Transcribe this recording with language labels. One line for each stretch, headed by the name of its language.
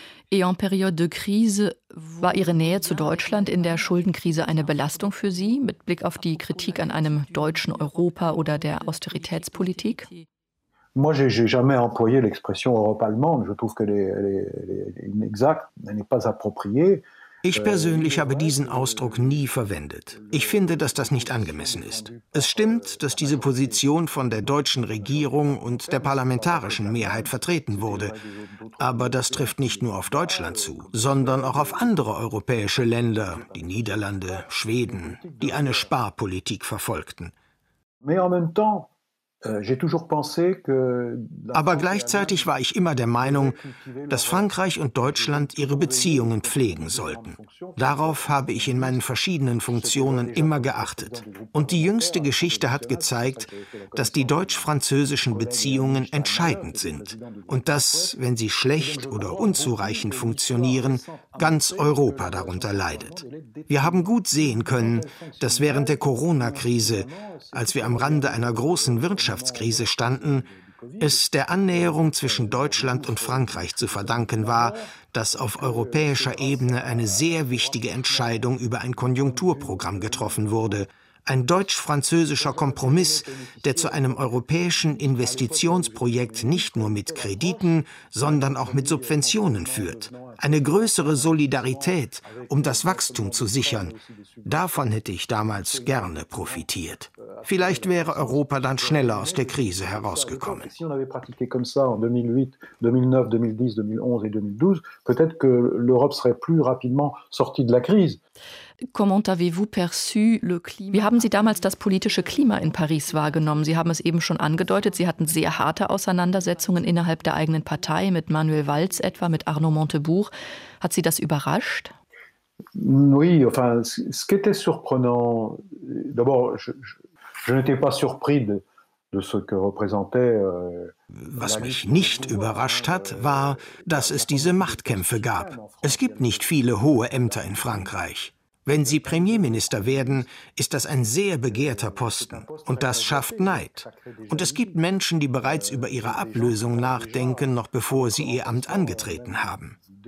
French: En période de crise,
German: war Ihre Nähe zu Deutschland in der Schuldenkrise eine Belastung für Sie, mit Blick auf die Kritik an einem deutschen Europa oder der Austeritätspolitik?
French: Moi, j'ai jamais employé l'expression Europe allemande. Je trouve qu'elle est inexacte, elle n'est pas appropriée.
German: Ich persönlich habe diesen Ausdruck nie verwendet. Ich finde, dass das nicht angemessen ist. Es stimmt, dass diese Position von der deutschen Regierung und der parlamentarischen Mehrheit vertreten wurde. Aber das trifft nicht nur auf Deutschland zu, sondern auch auf andere europäische Länder, die Niederlande, Schweden, die eine Sparpolitik verfolgten.
French: Mais en même temps, j'ai toujours pensé que.
German: Aber gleichzeitig war ich immer der Meinung, dass Frankreich und Deutschland ihre Beziehungen pflegen sollten. Darauf habe ich in meinen verschiedenen Funktionen immer geachtet. Und die jüngste Geschichte hat gezeigt, dass die deutsch-französischen Beziehungen entscheidend sind. Und dass, wenn sie schlecht oder unzureichend funktionieren, ganz Europa darunter leidet. Wir haben gut sehen können, dass während der Corona-Krise, als wir am Rande einer großen Wirtschaftskrise standen, es der Annäherung zwischen Deutschland und Frankreich zu verdanken war, dass auf europäischer Ebene eine sehr wichtige Entscheidung über ein Konjunkturprogramm getroffen wurde. Ein deutsch-französischer Kompromiss, der zu einem europäischen Investitionsprojekt nicht nur mit Krediten, sondern auch mit Subventionen führt. Eine größere Solidarität, um das Wachstum zu sichern. Davon hätte ich damals gerne profitiert. Vielleicht wäre Europa dann schneller aus der Krise herausgekommen.
French: Si on avait pratiqué comme ça en 2008, 2009, 2010, 2011 et 2012, peut-être que l'Europe serait plus rapidement sortie de la crise.
German: Wie haben Sie damals das politische Klima in Paris wahrgenommen? Sie haben es eben schon angedeutet, Sie hatten sehr harte Auseinandersetzungen innerhalb der eigenen Partei, mit Manuel Valls etwa, mit Arnaud Montebourg. Hat Sie das überrascht?
French: Oui, enfin, ce qui était surprenant, d'abord, je n'étais pas surpris de.
German: Was mich nicht überrascht hat, war, dass es diese Machtkämpfe gab. Es gibt nicht viele hohe Ämter in Frankreich. Wenn Sie Premierminister werden, ist das ein sehr begehrter Posten. Und das schafft Neid. Und es gibt Menschen, die bereits über ihre Ablösung nachdenken, noch bevor sie ihr Amt angetreten haben.